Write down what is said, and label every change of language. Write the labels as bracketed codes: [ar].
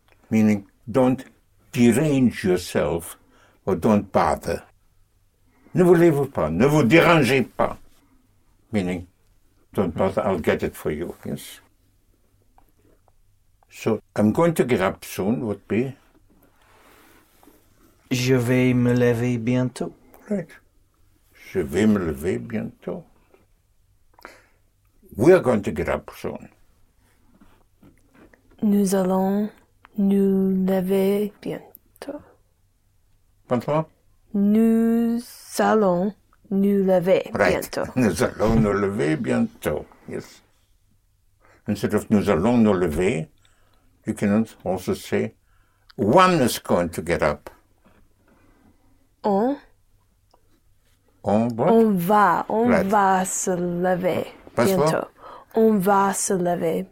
[en] Meaning, don't derange yourself or don't bother. [fr] Ne vous levez pas. Ne vous dérangez pas. [en] Meaning, don't bother. I'll get it for you. Yes. So, I'm going to get up soon, would be? [fr] Je vais me lever bientôt. [en] Right. [fr] Je vais me lever bientôt. [en] We are going to get up soon. [fr] Nous allons nous lever bientôt. Bonsoir. Nous allons nous lever [en] right. [fr] bientôt. Nous allons nous lever bientôt. [en] Yes. Instead of [fr] nous allons nous lever, [en] you can also say, one is going to get up. On what? [fr] On va se lever bientôt. On va se lever